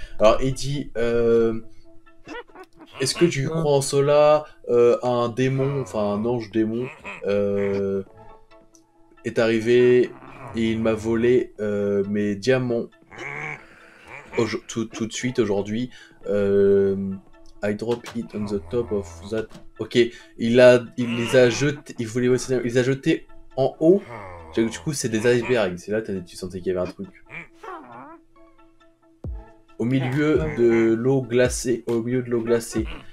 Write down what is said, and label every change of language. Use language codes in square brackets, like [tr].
[fr] Alors, il dit est-ce que tu crois en cela un démon, enfin un ange démon, est arrivé et il m'a volé mes diamants tout de suite aujourd'hui. [en] I drop it on the top of that. [fr] Ok, il les a jetés en haut. Du coup, c'est des icebergs. C'est là que tu sentais qu'il y avait un truc. au milieu de l'eau glacée. Au milieu de l'eau glacée.